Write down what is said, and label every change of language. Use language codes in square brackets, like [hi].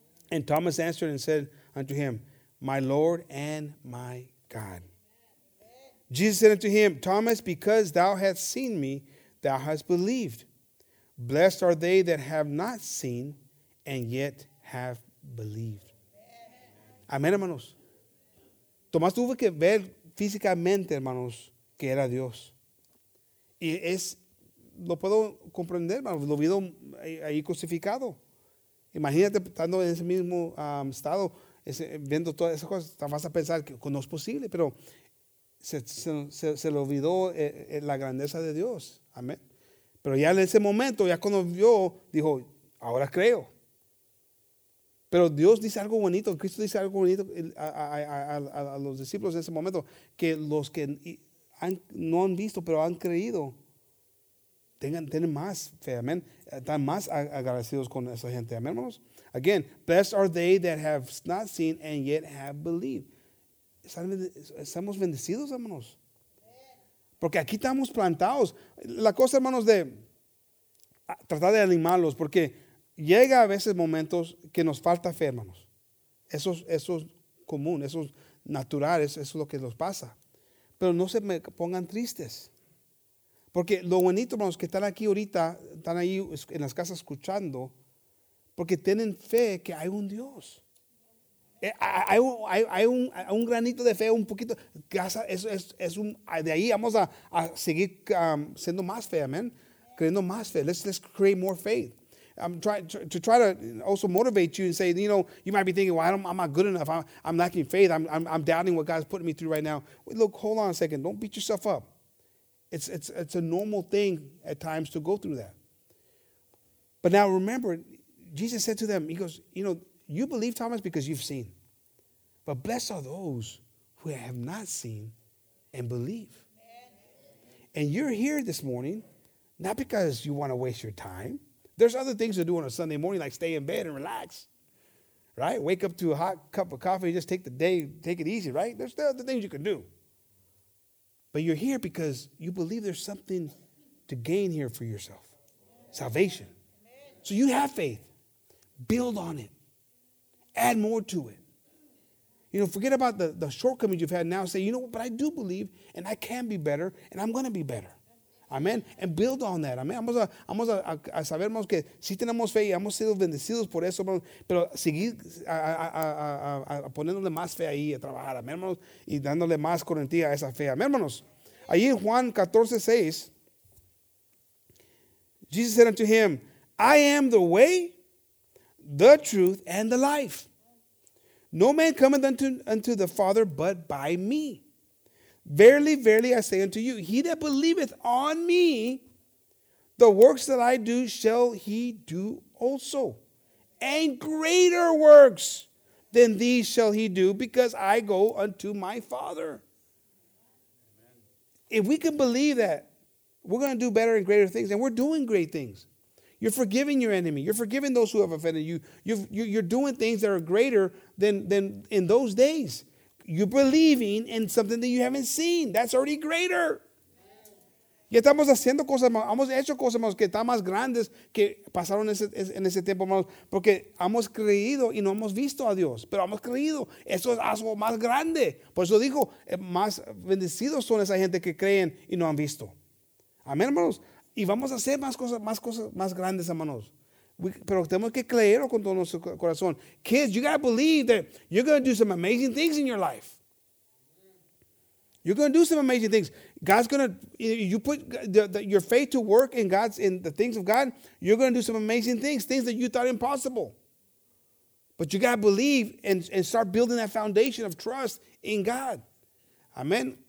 [en] And Thomas answered and said unto him, my Lord and my God. Jesus said unto him, Thomas, because thou hast seen me, thou hast believed. Blessed are they that have not seen, and yet have believed. [es] Amén, hermanos. Tomás tuvo que ver físicamente, hermanos, que era Dios. Y es, lo puedo comprender, lo vi ahí crucificado. Imagínate estando en ese mismo estado, viendo todas esas cosas, vas a pensar que no es posible, pero se le olvidó la grandeza de Dios. Amén. Pero ya en ese momento, ya cuando vio, dijo, ahora creo. Pero Dios dice algo bonito, Cristo dice algo bonito a los discípulos en ese momento, que los que no han visto, pero han creído, tienen más fe, amén. Están más agradecidos con esa gente, amén, hermanos. [en] Again, blessed are they that have not seen and yet have believed. [es] Estamos bendecidos, hermanos. Porque aquí estamos plantados. La cosa, hermanos, de tratar de animarlos, porque llega a veces momentos que nos falta fe, hermanos. Eso es común, eso es naturales, eso es lo que nos pasa. Pero no se me pongan tristes. Porque lo bonito, hermanos, que están aquí ahorita, están ahí en las casas escuchando, porque tienen fe que hay un Dios. Hay un granito de fe, un poquito. Es un, de ahí vamos a seguir siendo más fe, amén. Creyendo más fe. [en] Let's create more faith. I'm trying to also motivate you and say, you know, you might be thinking, well, I'm not good enough. I'm lacking faith. I'm doubting what God's putting me through right now. Wait, look, hold on a second. Don't beat yourself up. It's a normal thing at times to go through that. But now remember, Jesus said to them, he goes, you know, you believe, Thomas, because you've seen. But blessed are those who have not seen and believe. And you're here this morning, not because you want to waste your time. There's other things to do on a Sunday morning, like stay in bed and relax, right? Wake up to a hot cup of coffee, just take the day, take it easy, right? There's the other things you can do. But you're here because you believe there's something to gain here for yourself, salvation. So you have faith. Build on it. Add more to it. You know, forget about the shortcomings you've had now. Say, you know, but I do believe, and I can be better, and I'm going to be better. Amen. And build on that. Amen. [es] Vamos a saber que si tenemos fe y hemos sido bendecidos por eso, pero seguir a poniéndole más fe ahí, a trabajar, amén, hermanos, y dándole más corrientía a esa fe. Amén, hermanos. Allí en [en] Juan 14:6, Jesus said unto him, I am the way, the truth, and the life. No man cometh unto the Father but by me. Verily, verily, I say unto you, he that believeth on me, the works that I do shall he do also. And greater works than these shall he do, because I go unto my Father. Amen. If we can believe that, we're going to do better and greater things. And we're doing great things. You're forgiving your enemy. You're forgiving those who have offended you. You're doing things that are greater than in those days. You're believing in something that you haven't seen. That's already greater. [es] Ya estamos haciendo cosas, hemos hecho cosas, hermanos, que están más grandes que pasaron en ese tiempo, hermanos, porque hemos creído y no hemos visto a Dios, pero hemos creído. Eso es algo más grande. Por eso dijo, más bendecidos son esa gente que creen y no han visto. Amén, hermanos. Y vamos a hacer más cosas más grandes, hermanos. Pero tenemos que creerlo con todo nuestro corazón. [en] Kids, you got to believe that you're going to do some amazing things in your life. You're going to do some amazing things. God's going to, you put your faith to work in God's, in the things of God, you're going to do some amazing things, things that you thought impossible. But you got to believe and start building that foundation of trust in God. Amen.